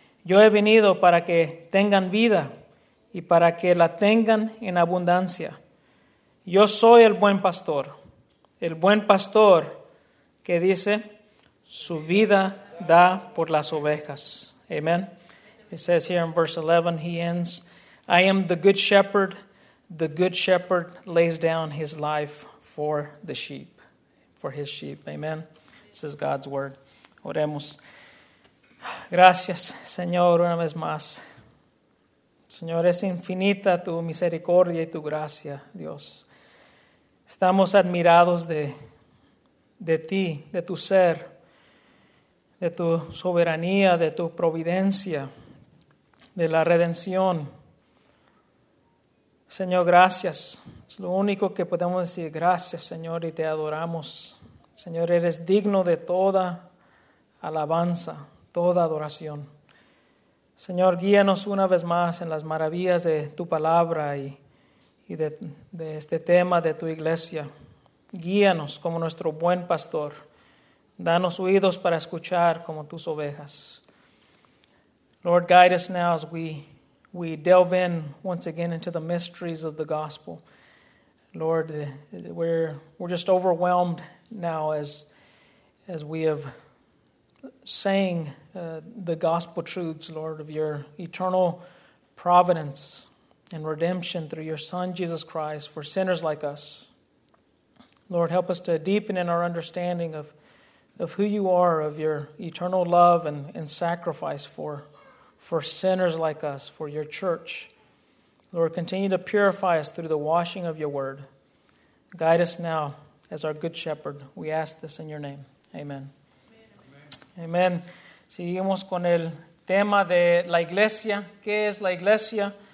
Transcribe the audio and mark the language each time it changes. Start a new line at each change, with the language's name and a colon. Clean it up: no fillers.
Spanish: Yo he venido para que tengan vida y para que la tengan en abundancia. Yo soy el buen pastor. El buen pastor, que dice, su vida da por las ovejas.
English: Amen. It says here in verse 11, he ends, I am the good shepherd. The good shepherd lays down his life for the sheep, for his sheep. Amen. This is God's word.
Spanish: Oremos. Gracias, Señor, una vez más. Señor, es infinita tu misericordia y tu gracia, Dios. Estamos admirados de ti, de tu ser, de tu soberanía, de tu providencia, de la redención. Señor, gracias. Es lo único que podemos decir, gracias, Señor, y te adoramos. Señor, eres digno de toda alabanza, toda adoración. Señor, guíanos una vez más en las maravillas de tu palabra y de este tema de tu iglesia. Guíanos como nuestro buen pastor. Danos oídos para escuchar como tus ovejas.
English: Lord, guide us now as we delve in once again into the mysteries of the gospel. Lord, we're just overwhelmed now as we have sang the gospel truths, Lord, of your eternal providence and redemption through your Son, Jesus Christ, for sinners like us. Lord, help us to deepen in our understanding of who you are, of your eternal love and sacrifice for sinners like us, for your church. Lord, continue to purify us through the washing of your word. Guide us now as our good shepherd. We ask this in your name. Amen. Amen. Amen.
Spanish: Seguimos con el tema de la iglesia. ¿Qué es la iglesia?